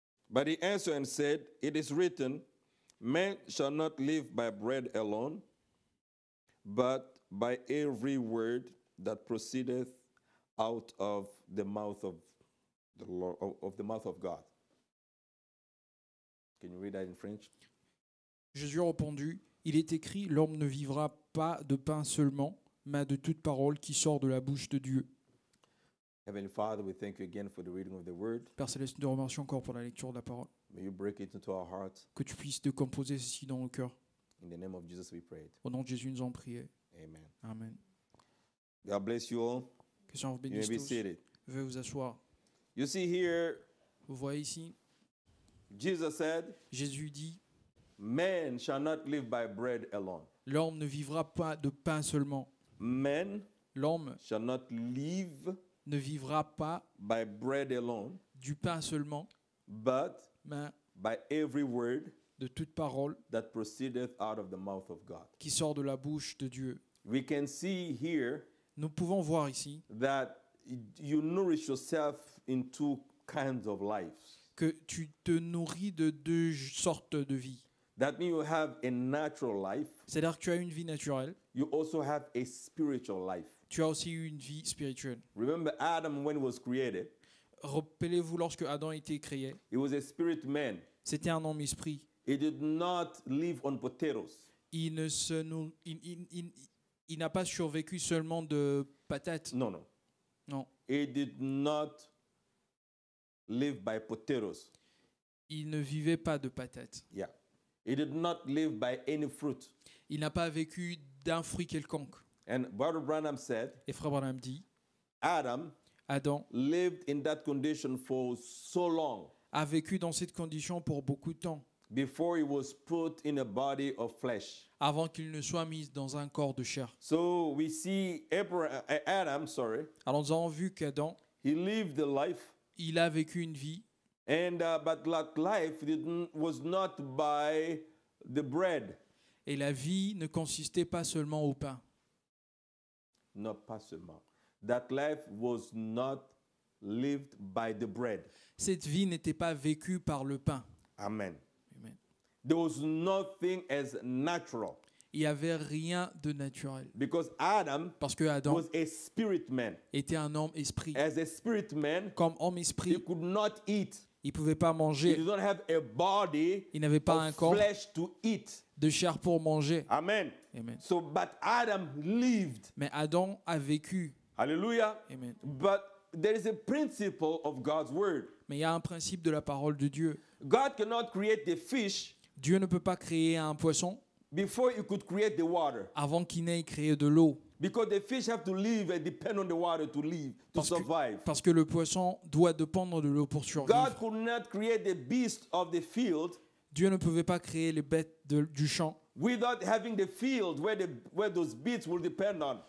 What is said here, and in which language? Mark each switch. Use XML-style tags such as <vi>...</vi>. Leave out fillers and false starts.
<en>But he answered and said, it is written, man shall not live by bread alone, but by every word that proceedeth out of the mouth of the Lord, of the mouth of God. Can you read that in French?</en> <fr>Jésus a répondu, il est écrit, l'homme ne vivra pas de pain seulement, mais de toute parole qui sort de la bouche de Dieu.</fr> <en>Heavenly Father, we thank you again for the reading of the word.</en> <fr>Père Céleste, nous remercions encore pour la lecture de la parole.</fr> <en>May you break it into our hearts.</en> <fr>Que tu puisses décomposer ceci dans nos cœurs.</fr> <en>In the name of Jesus, we pray.</en> <fr>Au nom de Jésus, nous en prions.</fr> <en>Amen.</en> <fr>Amen.</fr> <en>God bless you all.</en> <fr>Que Dieu vous bénisse.</fr> <en>You may be seated.</en> <fr>Veuillez vous asseoir.</fr> <en>You see here.</en> <fr>Vous voyez ici.</fr> <en>Jesus said.</en> <fr>Jésus dit.</fr> <en>Man shall not live by bread alone.</en> <fr>L'homme ne vivra pas de pain seulement.</fr> <en>Man.</en> <fr>L'homme.</fr> <en>Shall not live.</en> <fr>Ne vivra pas</fr> <en>by bread alone,</en> <fr>du pain seulement,</fr> <en>but</en> <fr>mais</fr> <en>by every word,</en> <fr>de toute parole</fr> <en>that proceedeth out of the mouth of God,</en> <fr>qui sort de la bouche de Dieu.</fr> <en>We can see here,</en> <fr>nous pouvons voir ici</fr> <en>that you nourish yourself in two kinds of lives,</en> <fr>que tu te nourris de deux sortes de vie.</fr> <en>That means you have a natural life.</en> <fr>C'est-à-dire que tu as une vie naturelle.</fr> <en>You also have a spiritual life.</en> <fr>Tu as aussi une vie spirituelle.</fr> <en>Remember Adam when he was created.</en> <fr>Rappelez-vous lorsque Adam a été créé.</fr> <en>He was a spirit man.</en> <fr>C'était un homme esprit.</fr> <en>He did not live on potatoes.</en> <fr>Il n'a pas survécu seulement de patates. Non, non. Non.</fr> <en>He did not live by potatoes.</en> <fr>Il ne vivait pas de patates.</fr> <en>Yeah. He did not live by any fruit.</en> <fr>Il n'a pas vécu d'un fruit quelconque.</fr> <en>And Brother Branham said,</en> <fr>et Frère Branham dit,</fr> <en>Adam lived in that condition for so long,</en> <fr>a vécu dans cette condition pour beaucoup de temps,</fr> <en>before he was put in a body of flesh,</en> <fr>avant qu'il ne soit mis dans un corps de chair.</fr> <en>So we see Adam.</en> <fr>Alors nous avons vu qu'Adam,</fr> <en>he lived the life,</en> <fr>il a vécu une vie,</fr> <en>and but that life was not by the bread,</en> <fr>et la vie ne consistait pas seulement au pain. Not pas seulement.</fr> <en>That life was not lived by the bread.</en> <fr>Cette vie n'était pas vécue par le pain.</fr> <en>Amen.</en> <fr>Amen.</fr> <en>There was nothing as natural.</en> <fr>Il y avait rien de naturel.</fr> <en>Because Adam,</en> <fr>parce que Adam</fr> <en>was a spirit man,</en> <fr>était un homme esprit.</fr> <en>As a spirit man,</en> <fr>comme homme esprit,</fr> <en>he could not eat.</en> <fr>Il pouvait pas manger.</fr> <en>He did not have a body.</en> <fr>Il n'avait pas</fr> <en>of</en> <fr>un corps</fr> <en>flesh to eat.</en> <fr>De chair pour manger.</fr> <en>Amen.</en> <fr>Amen.</fr> <en>So, but Adam lived.</en> <fr>Mais Adam a vécu.</fr> <en>Hallelujah.</en> <fr>Amen.</fr> <en>But there is a principle of God's word.</en> <fr>Mais il y a un principe de la parole de Dieu.</fr> <en>God cannot create the fish.</en> <fr>Dieu ne peut pas créer un poisson.</fr> <en>Before he could create the water.</en> <fr>Avant qu'il n'ait créé de l'eau.</fr> <en>Because the fish have to live and depend on the water to live, to survive.</en> <fr>Parce que le poisson doit dépendre de l'eau pour survivre.</fr> <en>God could not create the beast of the field.</en> <fr>Dieu ne pouvait pas créer les bêtes du champ.</fr> <en>Without having the field where those beasts will depend on.</en>